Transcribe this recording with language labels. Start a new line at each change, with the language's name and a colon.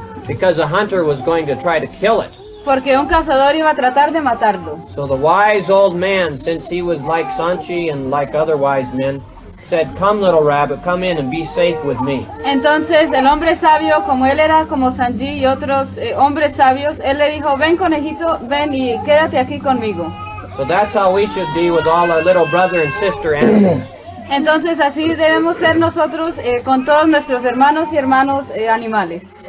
English: Because a hunter was going to try to kill it.
Spanish: Porque un cazador iba a tratar de matarlo.
English: So the wise old man, since he was like Sanchi and like other wise men, said, "Come, little rabbit, come in and be safe with me."
Spanish: Entonces el hombre sabio, como él era como Sanji y otros hombres sabios, él le dijo, "Ven conejito, ven y quédate aquí conmigo."
English: So that's how we should be with all our little brother and sister animals.
Spanish: Entonces así debemos ser nosotros con todos nuestros hermanos y hermanos animales.